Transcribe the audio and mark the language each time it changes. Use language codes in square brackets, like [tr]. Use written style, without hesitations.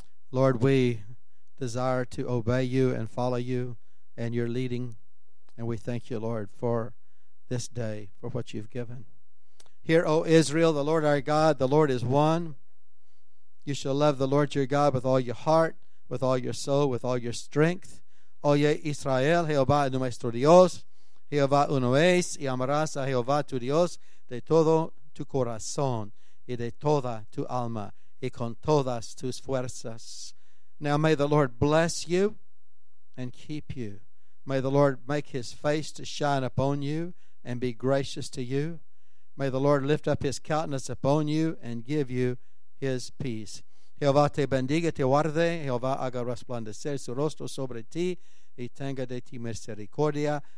[en] Lord, we desire to obey you and follow you and your leading. And we thank you, Lord, for this day, for what you've given. Hear, O Israel, the Lord our God, the Lord is one. You shall love the Lord your God with all your heart, with all your soul, with all your strength. [es] Oye, Israel, Jehová es nuestro Dios. Jehová uno es, y amarás a Jehová tu Dios de todo tu corazón y de toda tu alma y con todas tus fuerzas. [en] Now may the Lord bless you and keep you. May the Lord make His face to shine upon you and be gracious to you. May the Lord lift up His countenance upon you and give you His peace. [es] Jehová te bendiga, te guarde. Jehová haga resplandecer su rostro sobre ti y tenga de ti misericordia.